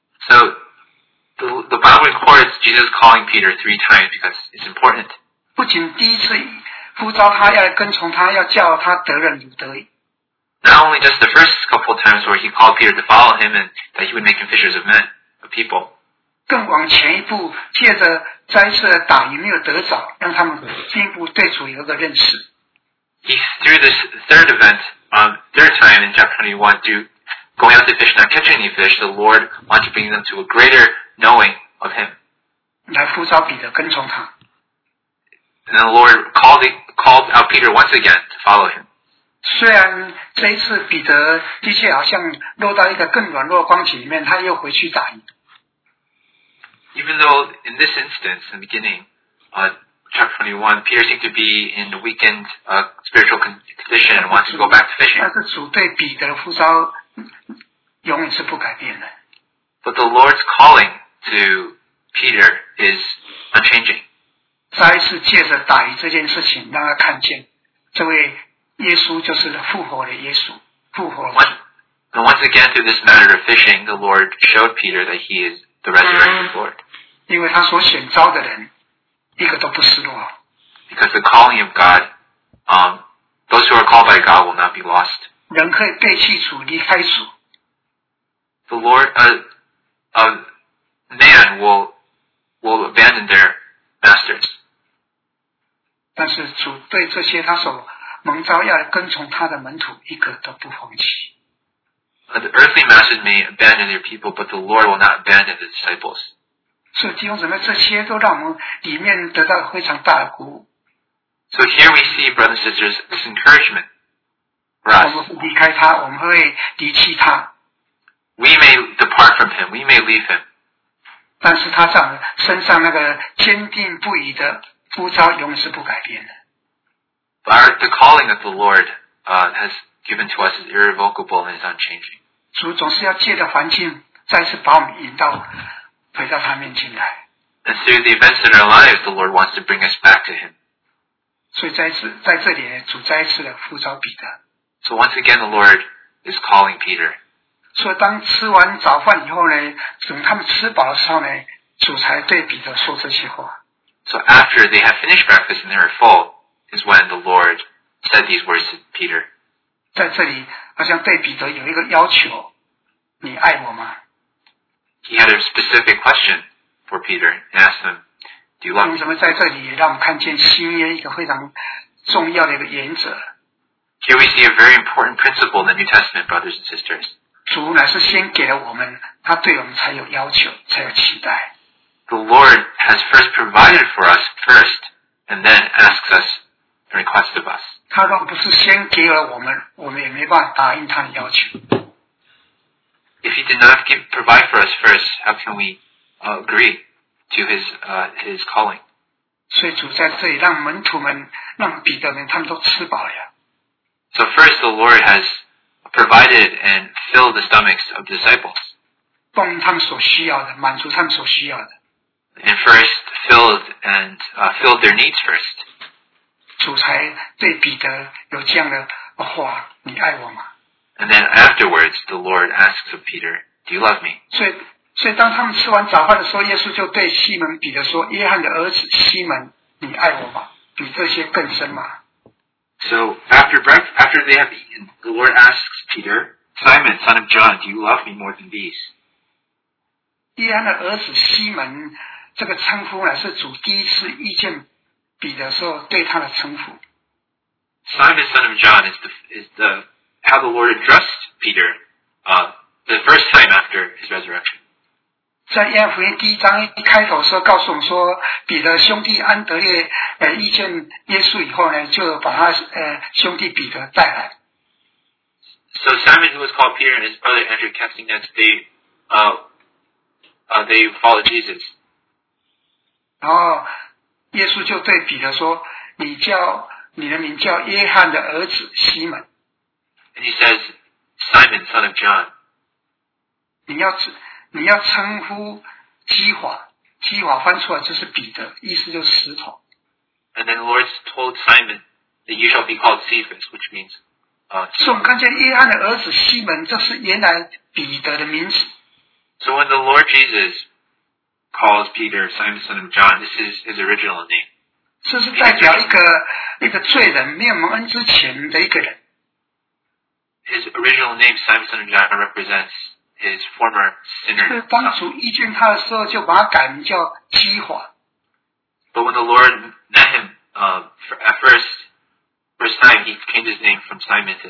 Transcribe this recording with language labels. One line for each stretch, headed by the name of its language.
English: So the Bible records Jesus calling Peter three times because it's important.
Chinese: 不仅第一次呼召他要跟从他，要叫他得人如得义。
English: Not only just the first couple of times where he called Peter to follow him and that he would make him fishers of men, of people.
Chinese: 更往前一步，借着再一次的打鱼没有得着，让他们进一步对主有个认识。
English: He threw this third event, third time in chapter 21, going out to fish, not catching any fish, the Lord wanted to bring them to a greater knowing of him.
Chinese: 来呼召彼得跟从他。
English: And the Lord called out Peter once again to follow him.
Chinese: 虽然这一次彼得的确好像落到一个更软弱的光景里面，他又回去打鱼。
English: Even though in this instance, in the beginning, chapter 21, Peter seemed to be in a weakened spiritual condition and wants to go back to fishing.
Chinese: 但是主对彼得的呼召永远是不改变的。
English: But the Lord's calling to Peter is unchanging.
Chinese: 再一次借着打鱼这件事情，让他看见这位。耶稣就是复活的耶稣，复活的。
English: Once again through this matter of fishing, the Lord showed Peter that he is the resurrected Lord.
Chinese: 因为他所选召的人，一个都不失落。
English: Because the calling of God, those who are called by God will not be lost.
Chinese: 人可以背弃主，离开主。
English: The Lord, a man will abandon their masters.
Chinese: 但是主对这些他所蒙召要跟从他的门徒一个都不放弃。
English: The earthly masters may abandon their people, but the Lord will not abandon the disciples.
Chinese: 所以弟兄姊妹，这些都让我们里面得到非常大的鼓舞。
English: So here we see, brothers and sisters, this encouragement for us.
Chinese: 我们会离开他，我们会离弃他。
English: We may depart from him, we may leave him.
Chinese: 但是他在身上那个坚定不移的呼召永远是不改变的。
English: The calling that the Lord has given to us is irrevocable and is unchanging.
Chinese: 主总是要借着环境再次把我们引到回到他面前来。
English: And through the events in our lives, the Lord wants to bring us back to Him.
Chinese: 所以在这里主再次的呼召彼得。
English: So once again, the Lord is calling Peter.
Chinese: 所以当吃完早饭以后呢，等他们吃饱的时候呢，主才对彼得说这些话。
English: So after they have finished breakfast and they were full, is when the Lord said these words to Peter.
Chinese: 在这里，好像对彼得有一个要求，你爱我吗？
English: He had a specific question for Peter and asked him, "Do you love me?"
Chinese: 为什么在这里也让我们看见新约一个非常重要的一个原则？
English: Here we see a very important principle in the New Testament, brothers and sisters.
Chinese: 主乃是先给了我们，他对我们才有要求，才有期待。
English: The Lord has first provided for us first, and then asks us and requests of us.
Chinese: 他若不是先给了我们，我们也没办法答应他的要求。
English: If He did not provide for us first, how can we agree to His calling?
Chinese: 所以主在这里让门徒们，让彼得们，他们都吃饱了。
English: So first, the Lord has provided and filled the stomachs of the disciples.
Chinese: 供他们所需要的，满足他们所需要的。
English: And first filled and filled their needs first.
Chinese: 主才对彼得有这样的话，你爱我吗？
English: And then afterwards, the Lord asks of Peter, "Do you love me?"
Chinese: 所以当他们吃完早饭的时候，耶稣就对西门彼得说：“约翰的儿子西门，你爱我吗？比这些更深吗？”
English: So after they have eaten, the Lord asks Peter, "Simon, son of John, do you love me more than these?"
Chinese: 约翰的儿子西门。这个称呼呢，是主第一次遇见彼得时候对他的称呼。
English: Simon, son of John, is the how the Lord addressed Peter, the first time after his resurrection.
Chinese: 在约翰福音第一章一开头的时候，告诉我们说，彼得兄弟安德烈遇见耶稣以后呢，就把他兄弟彼得带来。
English: So Simon, who was called Peter, and his brother Andrew casting nets, they followed Jesus.
Chinese: 然后耶稣就对彼得说：“你叫你的名叫约翰的儿子西门。”
English: And he says, "Simon, son of John."
Chinese: 你要称呼基法，基法翻出来就是彼得，意思就是石头。
English: And then the Lord told Simon that you shall be called Cephas, which means.
Chinese: 所以我们看见约翰的儿子西门，这是原来彼得的名字。
English: So when the Lord Jesus. Calls Peter Simon son of John. This is his original name.
Chinese: 这是代表一个罪人没有恩之前的一个人。
English: His original name Simon son of John represents his former sinner.
Chinese: 是当主遇见他的时候就把他改名叫基法。
English: But when the Lord met him at first time, he changed his name from Simon to